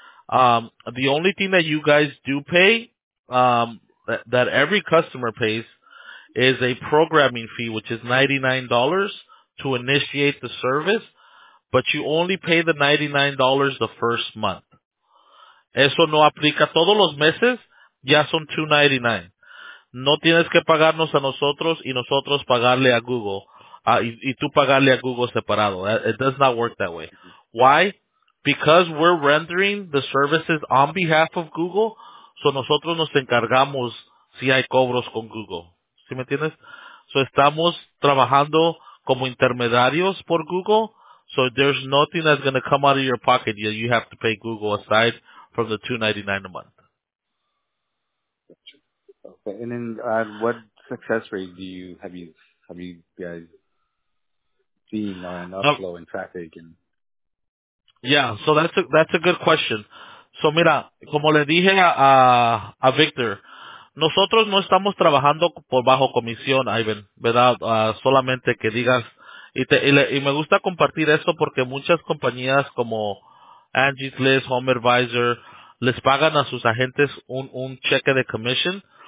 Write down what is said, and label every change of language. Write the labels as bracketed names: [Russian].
[English] The only thing that you guys do pay, that every customer pays, is a programming fee, which is $99 to initiate the service, but you only pay the $99 the first month. [Spanish] Eso no aplica todos los meses, ya son $2.99. No tienes que pagarnos a nosotros y nosotros pagarle a Google y tú pagarle a Google separado. [English] It does not work that way. Why? Because we're rendering the services on behalf of Google, so [Spanish] nosotros nos encargamos si hay cobros con Google. ¿Sí me entiendes? [English] So [Spanish] estamos trabajando como intermediarios por Google, [English] so there's nothing that's going to come out of your pocket. You have to pay Google aside from the $2.99 a month. Okay, and then what success rate have you guys seen on upflow and traffic? Yeah, so that's a good question. [Spanish] So mira, como le dije a Victor, nosotros no estamos trabajando por bajo comisión, Ivan, ¿verdad? Solamente que digas, y me gusta compartir esto porque muchas compañías como Angie's List, Home Advisor, les pagan a sus agentes un cheque de commission.